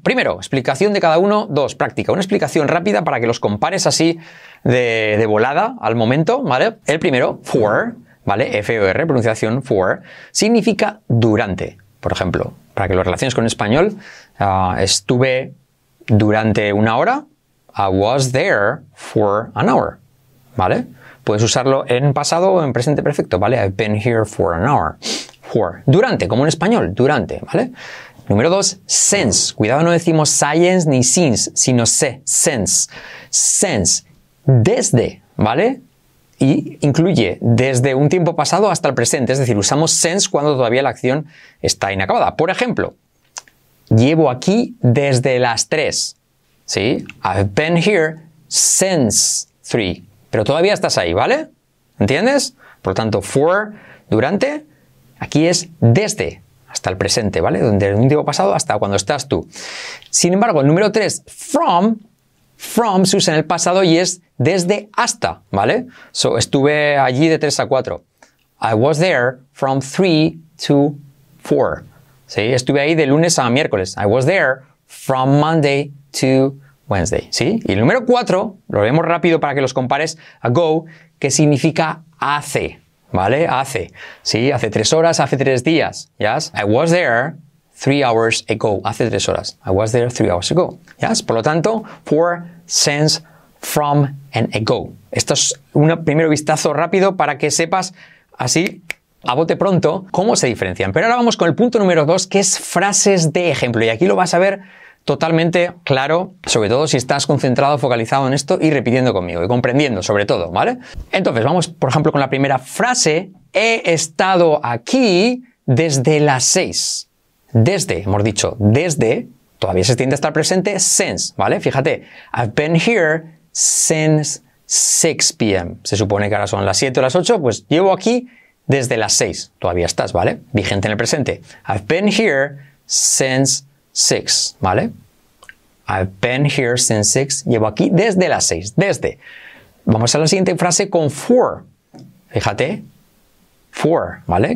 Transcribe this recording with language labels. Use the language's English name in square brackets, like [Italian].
[Spanish] Primero, explicación de cada uno. Dos, práctica. Una explicación rápida para que los compares así de volada al momento, ¿vale? El primero, for, ¿vale? F-O-R, pronunciación for, significa durante. Por ejemplo, para que lo relaciones con español, estuve durante una hora. [English] I was there for an hour, [Spanish] ¿vale? Puedes usarlo en pasado o en presente perfecto, ¿vale? [English] I've been here for an hour. [Spanish] For, durante, como en español, durante, ¿vale? Número dos, since. Cuidado, no decimos science ni since, sino since. Since, desde, ¿vale? Y incluye desde un tiempo pasado hasta el presente. Es decir, usamos since cuando todavía la acción está inacabada. Por ejemplo, llevo aquí desde las 3. ¿Sí? [English] I've been here since 3. [Spanish] Pero todavía estás ahí, ¿vale? ¿Entiendes? Por lo tanto, for, durante. Aquí es desde, hasta el presente, ¿vale? Desde un tiempo pasado hasta cuando estás tú. Sin embargo, el número 3, from. From se usa en el pasado y es desde hasta, ¿vale? [English] So, [Spanish] estuve allí de 3 a 4. [English] I was there from 3 to 4. [Spanish] ¿Sí? Estuve ahí de lunes a miércoles. [English] I was there from Monday to Wednesday, ¿sí? [Spanish] Y el número 4, lo vemos rápido para que los compares, ago, que significa hace, ¿vale? Hace, ¿sí? Hace 3 horas, hace 3 días, [English] ¿yes? I was there 3 hours ago, [Spanish] hace 3 horas. [English] I was there 3 hours ago, ¿yes? [Spanish] Por lo tanto, for, since, from, and ago. Esto es un primer vistazo rápido para que sepas, así, a bote pronto, cómo se diferencian. Pero ahora vamos con el punto número 2, que es frases de ejemplo. Y aquí lo vas a ver totalmente claro, sobre todo si estás concentrado, focalizado en esto y repitiendo conmigo y comprendiendo, sobre todo, ¿vale? Entonces, vamos, por ejemplo, con la primera frase. He estado aquí desde las 6. Desde, hemos dicho, desde, todavía se extiende hasta el presente, since, ¿vale? Fíjate, [English] I've been here since 6 p.m. [Spanish] Se supone que ahora son las 7 o las 8, pues llevo aquí desde las 6. Todavía estás, ¿vale? Vigente en el presente. [English] I've been here since 6, [Spanish] ¿vale? [English] I've been here since 6. [Spanish] Llevo aquí desde las 6. Desde. Vamos a la siguiente frase con for. Fíjate. For, ¿vale?